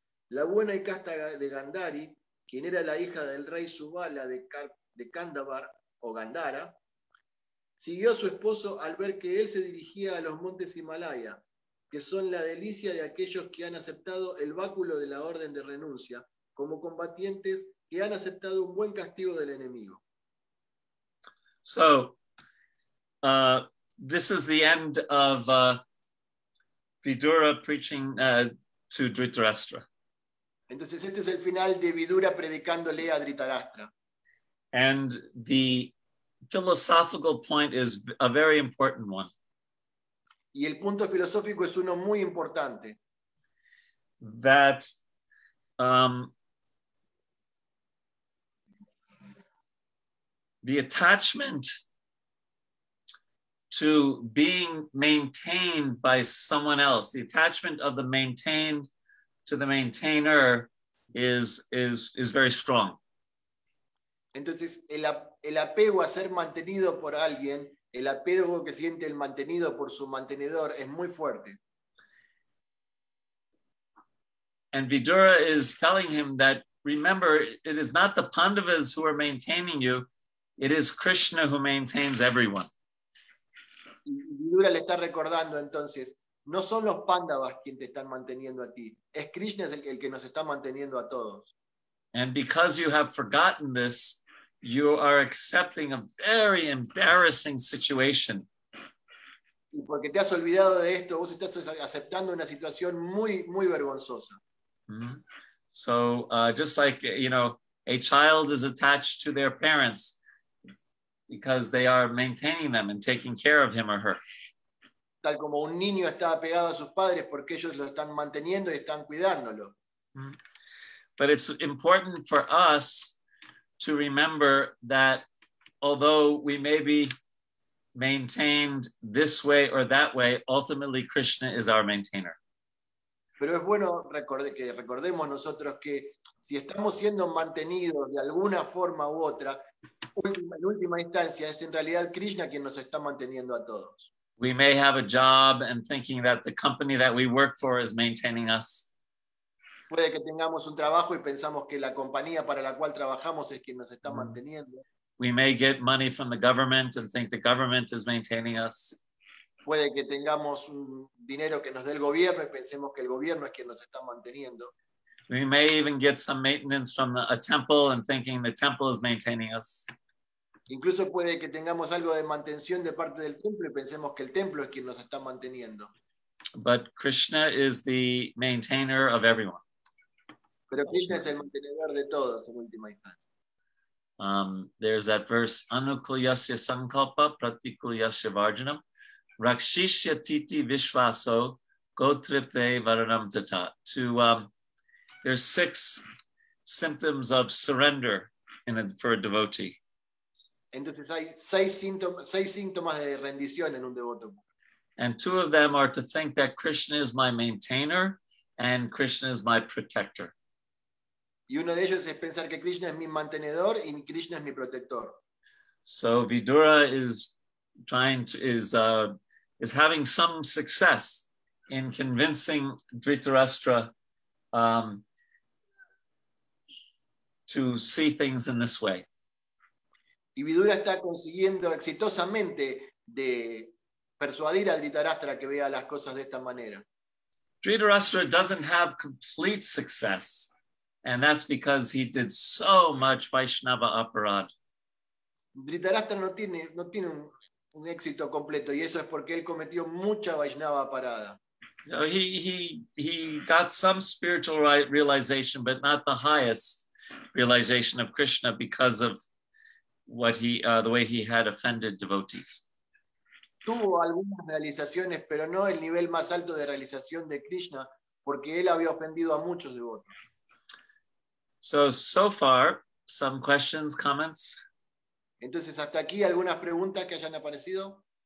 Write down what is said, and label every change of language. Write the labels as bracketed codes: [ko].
[es] La buena y casta de Gandhari, quien era la hija del rey Subala de Kandavar o Gandhara, siguió a su esposo al ver que él se dirigía a los montes Himalaya, que son la delicia de aquellos que han aceptado el báculo de la orden de renuncia, como combatientes que han aceptado un buen castigo del enemigo. [en] So, this is the end of Vidura preaching to Dhritarashtra. [es] Entonces, este es el final de Vidura predicándole a Dhritarashtra. [en] And the philosophical point is a very important one. [es] Y el punto filosófico es uno muy importante. [en] That the attachment to being maintained by someone else, the attachment of the maintained to the maintainer is very strong. [es] Entonces, el apego a ser mantenido por alguien, el apego que siente el mantenido por su mantenedor, es muy fuerte. [en] And Vidura is telling him that, remember, it is not the Pandavas who are maintaining you, it is Krishna who maintains everyone. [es] Vidura le está recordando entonces, no son los Pandavas quien te están manteniendo a ti, es Krishna el que nos está manteniendo a todos. [en] And because you have forgotten this, you are accepting a very embarrassing situation. [es] Y porque te has olvidado de esto, vos estás aceptando una situación muy, muy vergonzosa. Mm-hmm. [en] So just like, you know, a child is attached to their parents because they are maintaining them and taking care of him or her. [es] Tal como un niño está apegado a sus padres porque ellos lo están manteniendo y están cuidándolo. Mm-hmm. [en] But it's important for us to remember that although we may be maintained this way or that way, ultimately Krishna is our maintainer. [es] Pero es bueno recordemos nosotros que si estamos siendo mantenidos de alguna forma u otra, en última instancia es en realidad Krishna quien nos está manteniendo a todos. [en] We may have a job and thinking that the company that we work for is maintaining us. [es] Puede que tengamos un trabajo y pensamos que la compañía para la cual trabajamos es quien nos está manteniendo. [en] We may get money from the government and think the government is maintaining us. [es] Puede que tengamos un dinero que nos dé el gobierno y pensemos que el gobierno es quien nos está manteniendo. [en] We may even get some maintenance from a temple and thinking the temple is maintaining us. [es] Incluso puede que tengamos algo de mantención de parte del templo y pensemos que el templo es quien nos está manteniendo. [en] But Krishna is the maintainer of everyone. [es] Pero Krishna es el mantenedor de todos en última instancia. [en] There's that verse, [sa] Anukulyasya Sankalpa Pratikulyasya Varjanam. Rakshishya Titi Vishvaso Gotripe Varanam Tata. [en] There's six symptoms of surrender for a devotee. [es] Entonces hay seis síntomas de rendición en un devoto. [en] And two of them are to think that Krishna is my maintainer and Krishna is my protector. [es] Y uno de ellos es pensar que Krishna es mi mantenedor y Krishna es mi protector. [en] So Vidura is having some success in convincing Dhritarashtra to see things in this way. [es] Y Vidura está consiguiendo exitosamente de persuadir a Dhritarashtra que vea las cosas de esta manera. [en] Dhritarashtra doesn't have complete success, and that's because he did so much Vaishnava aparad. [es] Dhritarashtra no tiene un éxito completo, y eso es porque él cometió mucha Vaishnava parada. [en] So he got some spiritual realization, but not the highest realization of Krishna because of the way he had offended devotees. [es] Tuvo algunas realizaciones, pero no el nivel más alto de realización de Krishna, porque él había ofendido a muchos devotos. [en] So far, some questions, comments. [es] Entonces, hasta aquí, ¿algunas preguntas que hayan aparecido?